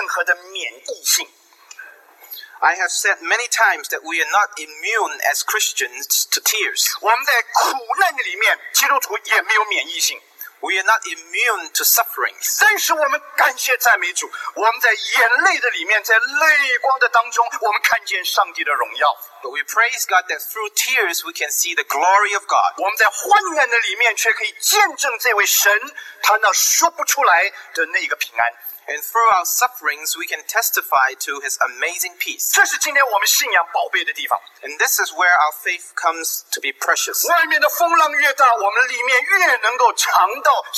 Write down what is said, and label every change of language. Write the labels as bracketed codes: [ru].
[zh] 我曾经说过，今天基督徒并没有在眼泪的里面有任何的免疫性。 [en] I have said many times that we are not immune as Christians to tears. [zh] 我们在苦难的里面，基督徒也没有免疫性。 [en] We are not immune to sufferings. [zh] 但是我们感谢赞美主，我们在眼泪的里面，在泪光的当中，我们看见上帝的荣耀。 [en] But we praise God that through tears we can see the glory of God. [zh] 我们在患难的里面却可以见证这位神，他那说不出来的那个平安。 [en] And through our sufferings we can testify to His amazing peace. [zh] 这是今天我们信仰宝贝的地方。 [en] And this is where our faith comes to be precious. [zh] 外面的风浪越大，我们里面越能够尝到。